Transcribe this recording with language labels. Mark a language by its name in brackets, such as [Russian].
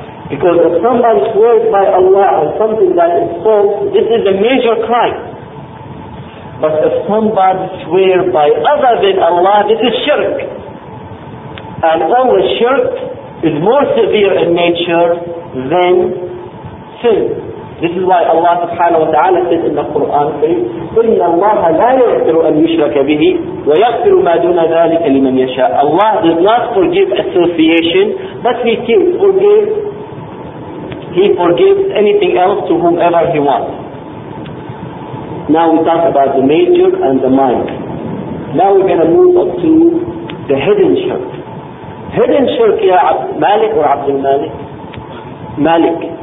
[English] Because if somebody swears by Allah on something that is false, this is a major crime. But if somebody swears by other than Allah, this is shirk. And only shirk is more severe in nature than sin. This is why Allah subhanahu wa ta'ala said in the Quran, [Arabic] إِنَّ اللَّهَ لَا يَغْفِرُ أَنْ يُشْرَكَ بِهِ وَيَغْفِرُ مَا دُونَ ذَلِكَ لِمَنْ يَشَاءَ. [English] Allah does not forgive association, but He can forgive. He forgives anything else to whomever He wants. Now we talk about the major and the minor. Now we're going to move up to the hidden shirk. Hidden shirk, ya Malik or Abdul Malik? Malik.